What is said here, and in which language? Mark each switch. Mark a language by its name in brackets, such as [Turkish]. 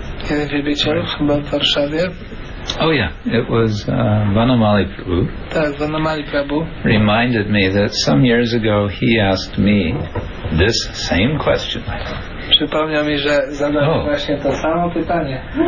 [Polish] In Wibiciel, chyba w Warszawie. [English] Oh yeah, it was Vanamali Prabhu. [Polish] Tak, Vanamali Prabhu. [English] Reminded me that some years ago he asked me this same question. [Polish] Przypomniał mi, że zadał właśnie to samo pytanie.